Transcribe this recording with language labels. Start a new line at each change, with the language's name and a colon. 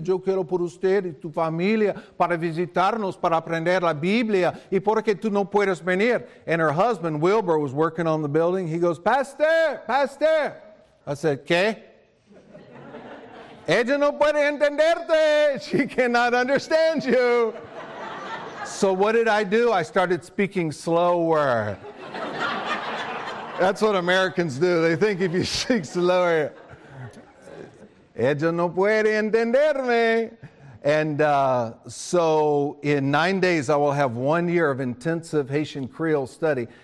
Spanish: Yo quiero por usted y tu familia para visitarnos, para aprender la Biblia. ¿Y por qué tú no puedes venir?
English: And her husband, Wilbur, was working on the building. He goes, Pastor. I said, ¿qué?
Spanish: Ella no puede entenderte.
English: She cannot understand you. So what did I do? I started speaking slower. That's what Americans do. They think if you speak slower,
Spanish: ella no puede entenderme.
English: And so in 9 days, I will have 1 year of intensive Haitian Creole study.